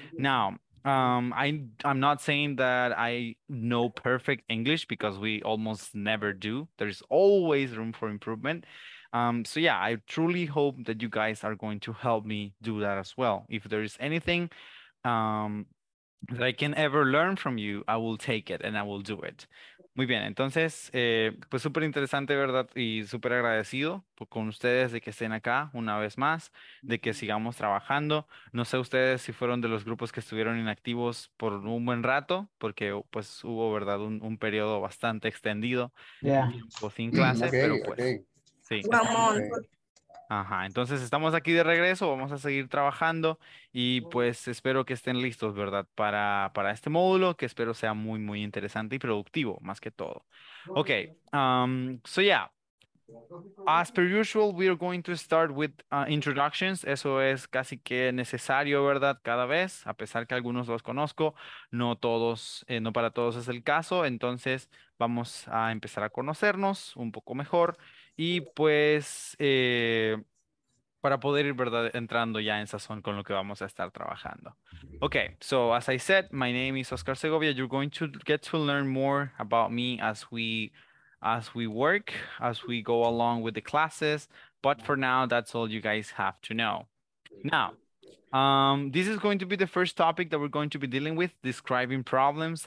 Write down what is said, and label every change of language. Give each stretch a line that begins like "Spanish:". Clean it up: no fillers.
English: Now, I'm not saying that I know perfect English, because we almost never do. There's always room for improvement. So yeah, I truly hope that you guys are going to help me do that as well. If there is anything that I can ever learn from you, I will take it and I will do it.
Spanish: Muy bien, entonces, pues súper interesante, ¿verdad? Y súper agradecido con ustedes de que estén acá una vez más, de que sigamos trabajando. No sé ustedes si fueron de los grupos que estuvieron inactivos por un buen rato, porque pues hubo, ¿verdad? Un periodo bastante extendido.
English: Yeah.
Spanish: O sin clase, okay, pero pues... Okay. Sí. Ajá, entonces estamos aquí de regreso, vamos a seguir trabajando y pues espero que estén listos, ¿verdad? Para este módulo, que espero sea muy, muy interesante y productivo, más que todo.
English: Ok, so yeah, as per usual, we are going to start with introductions.
Spanish: Eso es casi que necesario, ¿verdad? Cada vez, a pesar que algunos los conozco, no todos, no para todos es el caso. Entonces vamos a empezar a conocernos un poco mejor. Y pues, para poder ir, ¿verdad?, entrando ya en sazón con lo que vamos a estar trabajando.
English: Okay, so as I said, my name is Oscar Segovia. You're going to get to learn more about me as we work, as we go along with the classes. But for now, that's all you guys have to know. Now, this is going to be the first topic that we're going to be dealing with, describing problems.